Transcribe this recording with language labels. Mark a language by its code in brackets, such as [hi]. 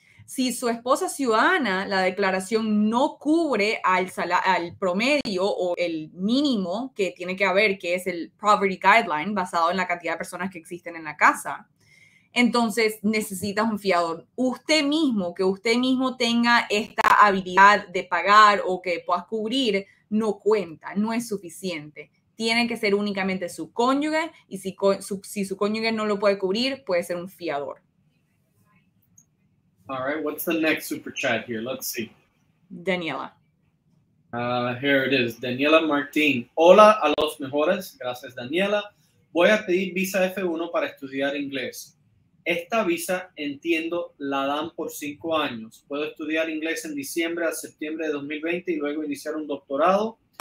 [es] Si su esposa ciudadana, la declaración no cubre al promedio o el mínimo que tiene que haber, que es el poverty guideline, basado en la cantidad de personas que existen en la casa, entonces necesitas un fiador. Usted mismo, que usted mismo tenga esta habilidad de pagar o que puedas cubrir, no cuenta, no es suficiente. Tiene que ser únicamente su cónyuge y si su cónyuge no lo puede cubrir, puede ser un fiador. [en] All right, what's the next super chat here? Let's see. Daniela. Here it is, Daniela Martín. [es] Hola a los mejores, gracias Daniela. Voy a pedir visa F1 para estudiar inglés. Esta visa, entiendo, la dan por 5 años. Puedo estudiar inglés en diciembre a septiembre de 2020 y luego iniciar un doctorado.